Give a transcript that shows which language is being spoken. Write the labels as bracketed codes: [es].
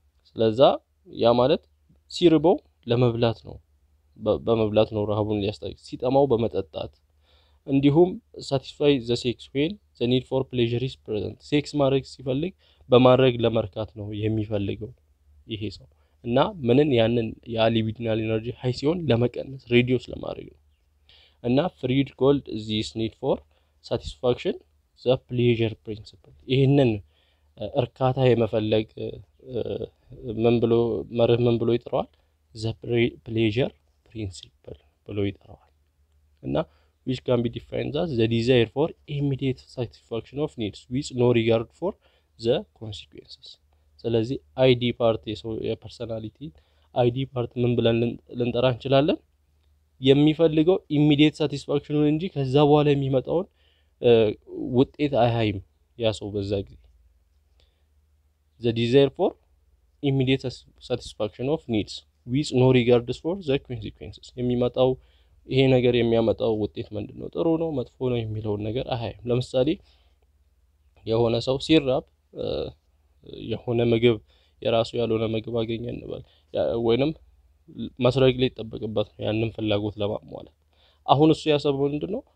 [am] ስለዛ ያ ማለት ሲርበው ለመብላት ነው፣ በመብላት ነው ረሃቡን ሊያስታግስ፣ ሲጠማው በመጠጣት እንዲሁም [en] ሳቲስፋይ ዘ ሴክስ ዌን ዘ ኒድ ፎር ፕሌዥር ኢዝ ፕሬዘንት። [am] ሴክስ ማድረግ ሲፈልግ በማድረግ ለመርካት ነው የሚፈልገው ይሄ ሰው እና ምንን ያንን የሊቢዲናል ኤነርጂ ሀይ ሲሆን ለመቀነስ ሬዲዮስ ለማድረግ ነው። እና [en] ፍሪድ ኮልድ ዚስ ኒድ ፎር ሳቲስፋክሽን ዘ ፕሌዥር ፕሪንስፕል፣ [am] ይህንን እርካታ የመፈለግ ምን ብሎ መርህ ምን ብሎ ይጠራዋል? [en] ዘ ፕሌዥር ፕሪንስፕል [am] ብሎ ይጠራዋል። እና [en] which can be defined as the desire for immediate satisfaction of needs with no regard for the consequences. [am] ስለዚህ ID part የፐርሰናሊቲ ID part ምን ብለን ልንጠራ እንችላለን? የሚፈልገው [en] immediate satisfaction [am] እንጂ ከዛ በኋላ የሚመጣውን ውጤት አይሃይም ያ ሰው በዛ ጊዜ። [en] The desire for immediate satisfaction of needs with no regard for the consequences. [am] የሚመጣው ይሄ ነገር የሚያመጣው ውጤት ምንድን ነው? ጥሩ ነው መጥፎ ነው የሚለውን ነገር አያይም። ለምሳሌ የሆነ ሰው ሲራብ የሆነ ምግብ የራሱ ያልሆነ ምግብ አገኘ እንበል፣ ወይንም መስረቅ ሊጠበቅበት ነው ያንን ፍላጎት ለማሟላት። አሁን እሱ ያሰበው ምንድን ነው?